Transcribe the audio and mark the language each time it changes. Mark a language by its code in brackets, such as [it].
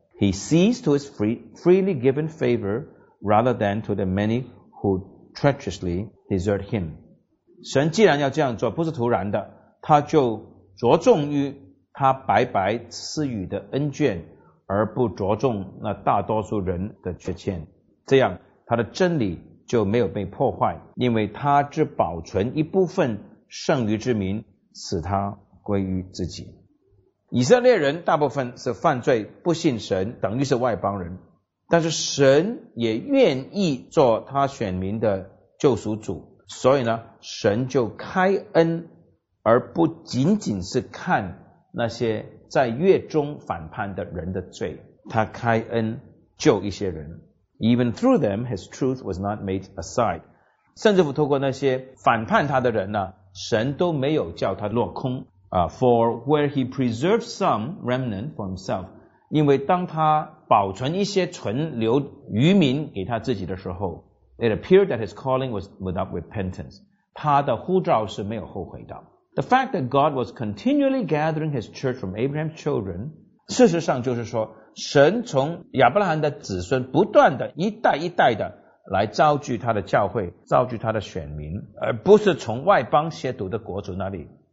[en] He sees to his freely given favor rather than to the many who treacherously desert him。 [zh] 神既然要这样做，不是突然的，他就着重于他白白赐予的恩眷，而不着重那大多数人的缺欠，这样他的真理就没有被破坏，因为他只保存一部分剩余之民，使他归于自己。以色列人大部分是犯罪不信神，等于是外邦人，但是神也愿意做他选民的救赎主，所以呢，神就开恩，而不仅仅是看那些在月中反叛的人的罪，他开恩救一些人。 [en] Even through them, his truth was not made aside. [zh] 甚至乎透过那些反叛他的人呢，神都没有叫他落空。 [en] For where he preserved some remnant for himself, [zh] 因为当他保存一些存留余民给他自己的时候， [en] it appeared that his calling was without repentance. [zh] 他的呼召是没有后悔的。 [en] The fact that God was continually gathering his church from Abraham's children, [zh] 事实上就是说，神从亚伯拉罕的子孙不断的一代一代的来召聚他的教会，召聚他的选民，而不是从外邦亵渎的国族那里。